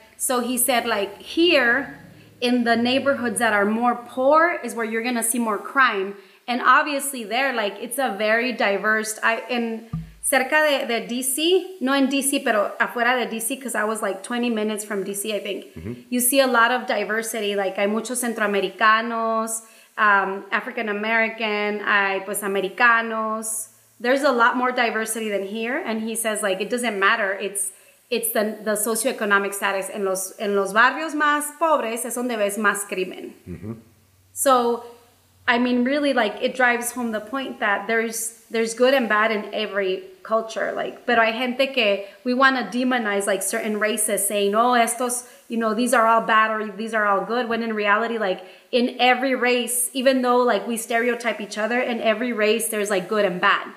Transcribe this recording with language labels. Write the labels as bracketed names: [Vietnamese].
[English] So he said, like, here in the neighborhoods that are more poor is where you're gonna see more crime. And obviously there, like, it's a very diverse, [Spanish] cerca de D.C., no en D.C., pero afuera de D.C., [English] because I was like 20 minutes from D.C., I think. Mm-hmm. You see a lot of diversity. [Spanish] Like, hay muchos centroamericanos, African-American, hay pues americanos. [English] There's a lot more diversity than here. And he says, like, it doesn't matter. It's the socioeconomic status. [Spanish] En los barrios más pobres es donde ves más crimen. Mm-hmm. [English] So, I mean, really, like, it drives home the point that there's good and bad in every culture. Like, [Spanish] pero hay gente que [English] we want to demonize, like, certain races, saying, [Spanish] oh, estos, [English] you know, these are all bad or these are all good. When in reality, like, in every race, even though, like, we stereotype each other, in every race, there's, like, good and bad.